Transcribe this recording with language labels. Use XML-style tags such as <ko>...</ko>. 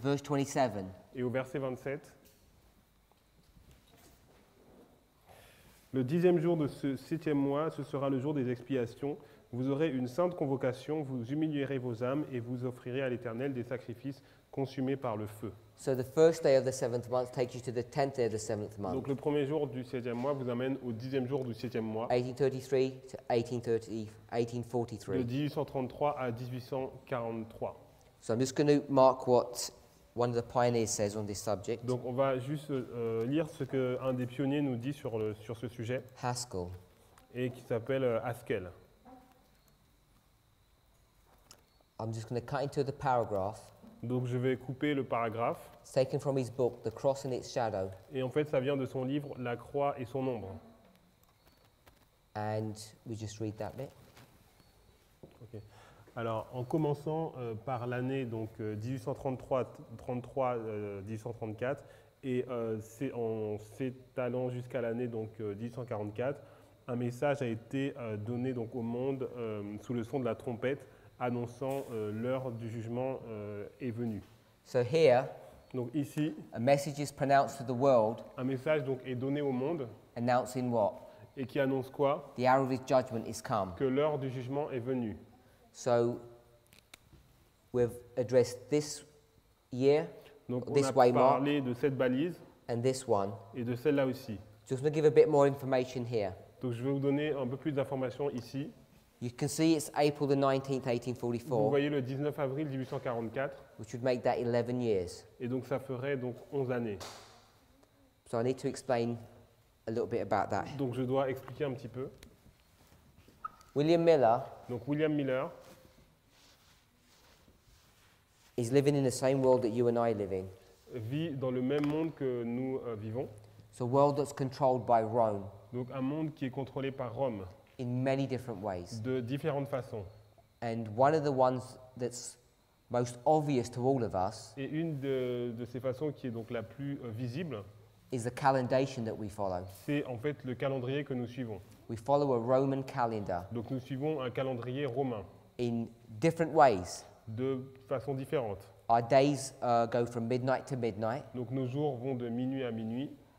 <en>Verse 27.</en> <fr>Et au verset 27. Le dixième jour de ce septième mois, ce sera le jour des expiations. Vous aurez une sainte convocation, vous humilierez vos âmes et vous offrirez à l'Éternel des sacrifices consumés par le feu.</fr> <en>So the first day of the seventh month takes you to the tenth day of the seventh month.</en> <fr>Donc le premier jour du septième mois vous amène au dixième jour du septième mois.</fr> <en>1833 to 1843.</en> <fr>De 1833 à 1843.</fr> <en>So I'm just going to mark what one of the pioneers says on this subject.</en> <fr>Donc on va juste lire ce que un des pionniers nous dit sur ce sujet.</fr> <en>Haskell.</en> <fr>Et qui s'appelle Haskell.</fr> <en>I'm just going to cut into the paragraph.</en> <fr>Donc je vais couper le paragraphe.</fr> <en>It's taken from his book, The Cross and Its Shadow.</en> <fr>Et en fait, ça vient de son livre, La Croix et son ombre.</fr> <en>And we just read that bit. Okay.</en> <fr>Alors, en commençant par l'année donc 1833-1834 et s'étalant jusqu'à l'année donc 1844, un message a été donné donc au monde sous le son de la trompette. Annonçant l'heure du jugement est venue.</fr> <en>So here,</en> <fr>donc ici,</fr> <en>a message is pronounced to the world,</en> <fr>un message donc est donné au monde,</fr> <en>announcing what?</en> <fr>Et qui annonce quoi?</fr> <en>The hour of his judgment is come.</en> <fr>Que l'heure du jugement est venue.</fr> <en>So we've addressed this year,</en> <fr>donc</fr> <en>this</en> <fr>on a parlé de cette balise</fr> <en>and this one.</en> <fr>Et de celle-là aussi.</fr> <en>Just to give a bit more information here.</en> <fr>Donc je vais vous donner un peu plus d'informations ici.</fr> <en>You can see it's April the 19th, 1844.</en> <fr>Vous voyez le 19 avril 1844.</fr> <en>Which would make that 11 years.</en> <fr>Et donc ça ferait donc 11 années.</fr> <en>So I need to explain a little bit about that.</en> <fr>Donc je dois expliquer un petit peu.</fr> <en>William Miller.</en> <fr>Donc William Miller.</fr> <en>Is living in the same world that you and I live in.</en> <fr>Vit dans le même monde que nous vivons.</fr> <en>It's a world that's controlled by Rome.</en> <fr>Donc un monde qui est contrôlé par Rome.</fr> <en>In many different ways.</en> <fr>De différentes façons.</fr> <en>And one of the ones that's most obvious to all of us.</en> <fr>Et une de ces façons qui est donc la plus visible.</fr> <en>Is the calendation that we follow.</en> <fr>C'est en fait le calendrier que nous suivons.</fr> <en>We follow a Roman calendar.</en> <fr>Donc nous suivons un calendrier romain.</fr> <en>In different ways.</en> <fr>De façons différentes.</fr> <en>Our days go from midnight to midnight.</en> <fr>Donc nos jours vont de minuit à minuit.</fr>